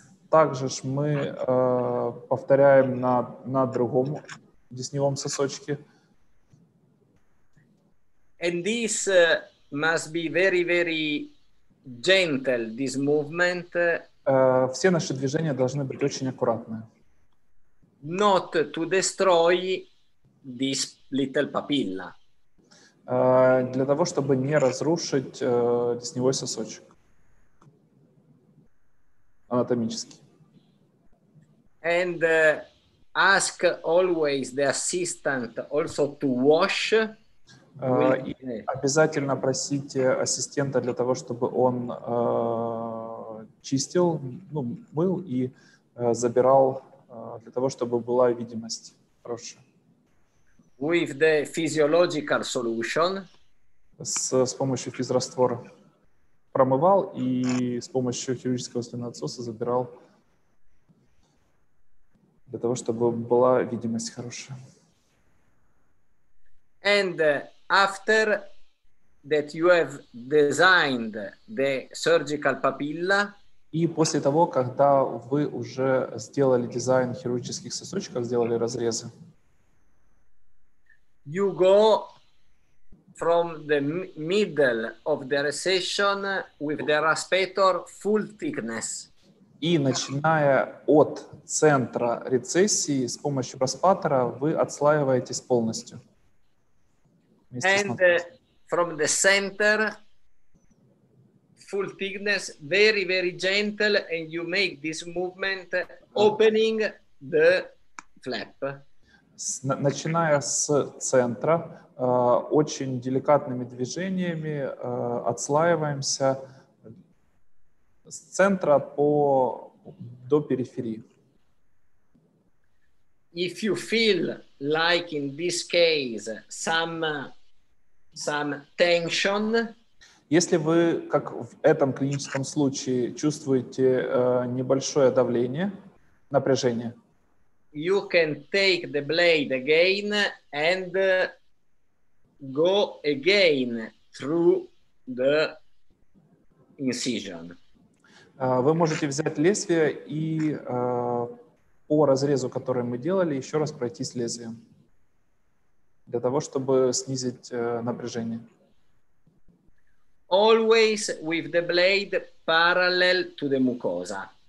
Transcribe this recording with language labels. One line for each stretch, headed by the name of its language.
Russian: Также ж мы повторяем на другом десневом сосочке.
English: And this must be very, very gentle, this movement.
Russian: Все наши движения должны быть очень аккуратны.
English: Not to destroy this little papilla.
Russian: Для того, чтобы не разрушить десневой сосочек анатомически.
English: And ask always the assistant also to wash.
Russian: Обязательно просите ассистента для того, чтобы он чистил, ну, мыл и забирал для того, чтобы была видимость хорошая.
English: With the physiological solution.
Russian: С помощью физраствора промывал и с помощью хирургического слюноотсоса забирал. Для того, чтобы была видимость хорошая.
English: And after that you have designed the surgical papilla.
Russian: И после того, когда вы уже сделали дизайн хирургических сосочков, сделали разрезы.
English: You go from the middle of the recession with the raspator full thickness.
Russian: И начиная от центра рецессии с помощью распатора вы отслаиваетесь полностью.
English: And from the center full thickness, very very gentle, and you make this movement opening the flap.
Russian: Начиная с центра очень деликатными движениями отслаиваемся с центра до периферии.
English: If you feel like in this case some tension.
Russian: Если вы, как в этом клиническом случае, чувствуете небольшое давление, напряжение.
English: You can take the blade again and go again through the incision.
Russian: Вы можете взять лезвие и по разрезу, который мы делали, еще раз пройтись лезвием для того, чтобы снизить напряжение.
English: Always with the blade parallel to the mucosa.